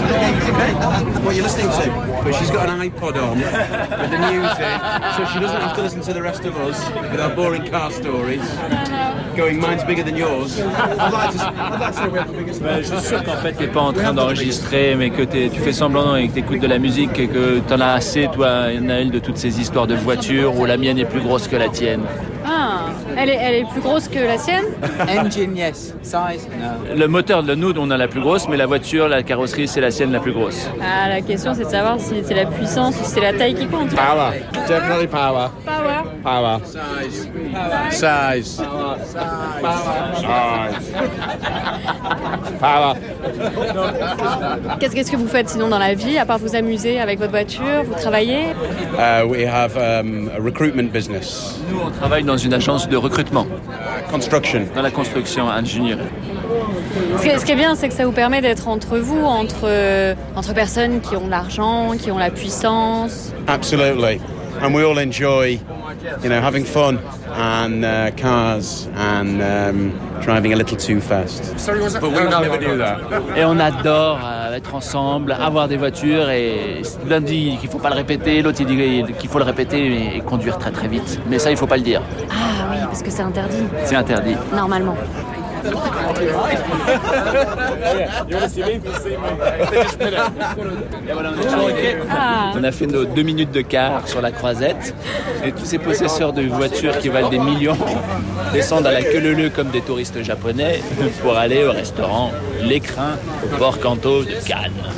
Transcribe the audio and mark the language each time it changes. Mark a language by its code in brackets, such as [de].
[en] What you're listening to, but she's got an iPod on with the music, so she doesn't have to listen to the rest of us with our boring car stories. Going, mine's bigger than yours. [fr] Je suis sûr qu'en fait t'es pas en train d'enregistrer, mais que tu fais semblant et que t'écoutes de la musique et que t'en as assez, toi, Naël, de toutes ces histoires de voitures où la mienne est plus grosse que la tienne. Ah. Elle est plus grosse que la sienne. [en] Engine, yes. Size, no. [fr] Le moteur, nous, on a la plus grosse, mais la voiture, la carrosserie, c'est la sienne la plus grosse. Ah, la question, c'est de savoir si c'est la puissance ou si c'est la taille qui compte. [en] Power. Definitely power. Power. Power. Size. Size. Power. Size. Power. [fr] Qu'est-ce que vous faites sinon dans la vie, à part vous amuser avec votre voiture? Vous travaillez? [en] We have a recruitment business. [fr] Nous, on travaille dans une agence de recrutement. [en] Construction. [fr] Dans la construction, ingénierie. Ce qui est bien, c'est que ça vous permet d'être entre vous, entre personnes qui ont l'argent, qui ont la puissance. [en] Absolutely. And we all enjoy, you know, having fun and cars and driving a little too fast. But we never do that. [fr] Et on adore être ensemble, avoir des voitures, et l'un dit qu'il ne faut pas le répéter, l'autre dit qu'il faut le répéter et conduire très très vite. Mais ça, il ne faut pas le dire. Ah oui, parce que c'est interdit. C'est interdit. Normalement. On a fait nos 2 minutes de car sur la croisette et tous ces possesseurs de voitures qui valent des millions descendent à la queue leu-leu comme des touristes japonais pour aller au restaurant L'Écrin au port Kanto de Cannes.